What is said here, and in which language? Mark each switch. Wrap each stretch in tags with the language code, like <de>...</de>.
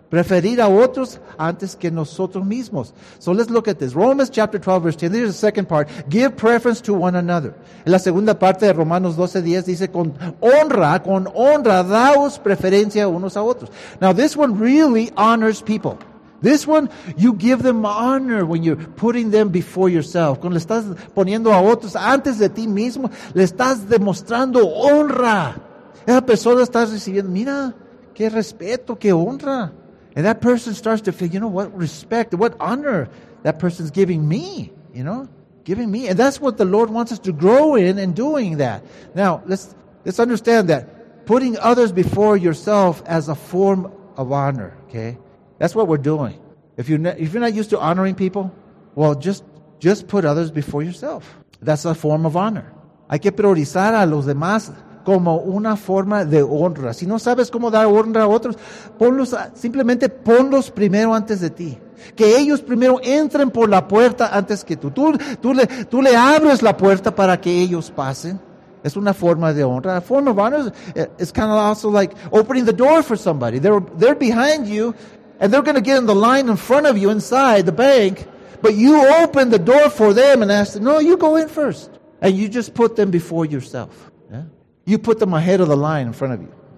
<es>Preferir a otros antes que nosotros mismos.</es> <en>So let's look at this. Romans chapter 12, verse 10. This is the second part. Give preference to one another.</en> <es>En la segunda parte de Romanos 12, 10 dice, con honra, daos preferencia unos a otros.</es> <en>Now this one really honors people. This one, you give them honor when you're putting them before yourself. Cuando le estás poniendo a otros antes de ti mismo, le estás demostrando honra. Esa persona está recibiendo, mira, qué respeto, qué honra. And that person starts to feel, you know, what respect, what honor that person's giving me, you know, giving me. And that's what the Lord wants us to grow in doing that. Now, let's understand that putting others before yourself as a form of honor, okay, that's what we're doing. If you're not used to honoring people, well, just put others before yourself. That's a form of honor.</en> <es>Hay que priorizar a los demás como una forma de honra. Si no sabes cómo dar honra a otros, simplemente ponlos primero antes de ti. Que ellos primero entren por la puerta antes que tú. Tú le abres la puerta para que ellos pasen. Es una forma de honra.</es> <en>A form of honor is kind of also like opening the door for somebody. They're behind you and they're going to get in the line in front of you inside the bank, but you open the door for them and ask them, no, you go in first. And you just put them before yourself. You put them ahead of the line in front of you.</en>